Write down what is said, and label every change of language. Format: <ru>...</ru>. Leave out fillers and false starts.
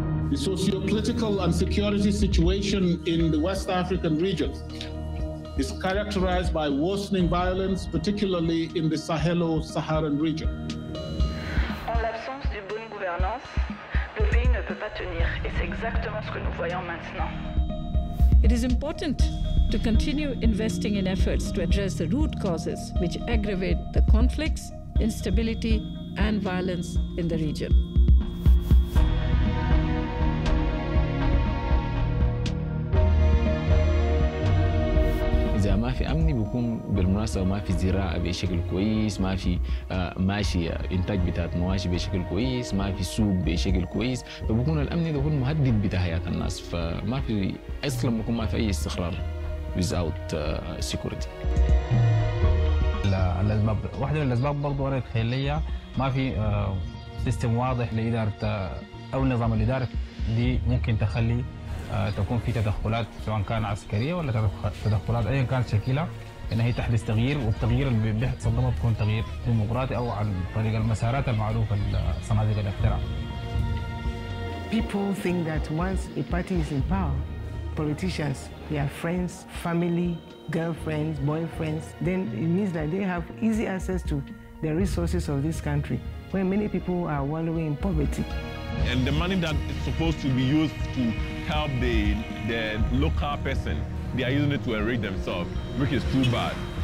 <en>The socio-political and security situation in the West African region is characterized by worsening violence, particularly in the Sahelo-Saharan region.</en> <fr>En l'absence de bonne gouvernance, le pays ne peut pas tenir, et c'est exactement ce que nous voyons maintenant.</fr> <en>It is important to continue investing in efforts to address the root causes which aggravate the conflicts, instability, and violence in the region.</en> <ar>ما في امني بكون بالمناسبه ما في زراعه بشكل كويس ما في ماشيه انتاج بتاع مواشي بشكل كويس ما في سوق بشكل كويس فبكون الامن ده هو المهدد بحياه الناس فما في اصلا بكون ما في اي استقرار</ar> <en>without security</en> <ar>لا الاسباب واحده من الاسباب برضو انا الخليه ما في سيستم واضح لاداره او نظام الاداره اللي ممكن تخلي تكون في تدخلات سواء كان عسكرية ولا تدخلات أيا كانت شكلها إن هي تحدث تغيير والتغيير اللي بيتصدمه بيكون تغيير ديمقراطي أو عن طريق المسارات المعروفة لصناديق الاقتراع.</ar> <en>People think that once a party is in power, politicians, their friends, family, girlfriends, boyfriends, then it means that they have easy access to the resources of this country, where many people are wallowing in poverty. And the money that is supposed to be used to help the local person, they are using it to enrich themselves, which is too bad.</en>